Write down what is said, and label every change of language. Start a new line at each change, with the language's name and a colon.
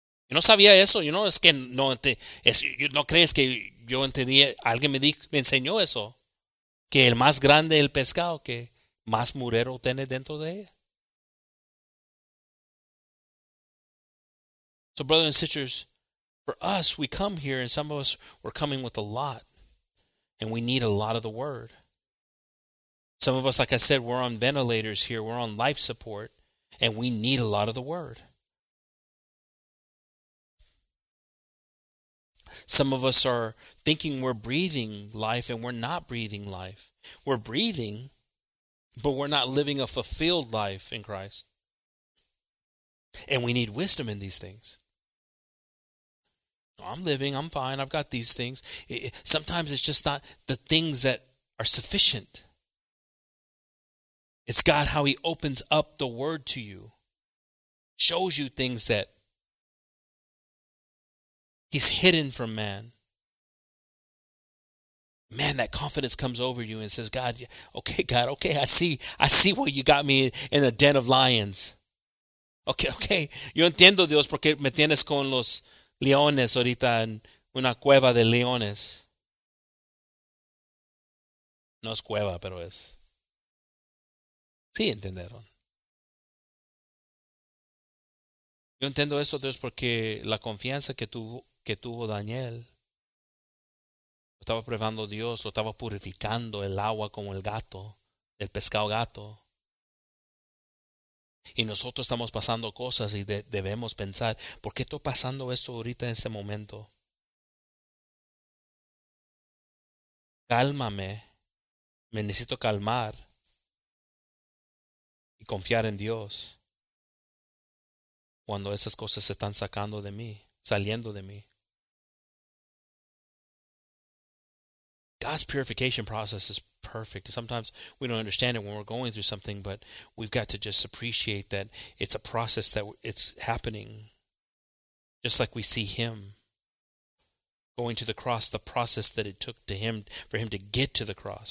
Spanish: No sabía eso, you know, es que no te, es, no crees que yo entendí, alguien me enseñó eso, que el más grande el pescado, que más murero tiene dentro de ella.
English: So brothers and sisters, for us, we come here and some of us, we're coming with a lot and we need a lot of the word. Some of us, like I said, we're on ventilators here, we're on life support and we need a lot of the word. Some of us are thinking we're breathing life and we're not breathing life. We're breathing, but we're not living a fulfilled life in Christ. And we need wisdom in these things. I'm living, I'm fine, I've got these things. Sometimes it's just not the things that are sufficient. It's God, how he opens up the word to you, shows you things that he's hidden from man. Man, that confidence comes over you and says, God, okay, I see what you got me in a den of lions.
Spanish: Okay, yo entiendo, Dios, porque me tienes con los leones ahorita en una cueva de leones. No es cueva, pero es. Sí, entendieron. Yo entiendo eso, Dios, porque la confianza que tuvo Daniel, lo estaba probando Dios, lo estaba purificando el agua como el gato, el pescado gato. Y nosotros estamos pasando cosas y debemos pensar, ¿por qué estoy pasando esto ahorita en este momento? Cálmame, me necesito calmar y confiar en Dios cuando esas cosas se están sacando de mí, saliendo de mí.
English: God's purification process is perfect. Sometimes we don't understand it when we're going through something, but we've got to just appreciate that it's a process that it's happening Just like we see him going to the cross, the process that it took to him for him to get to the cross.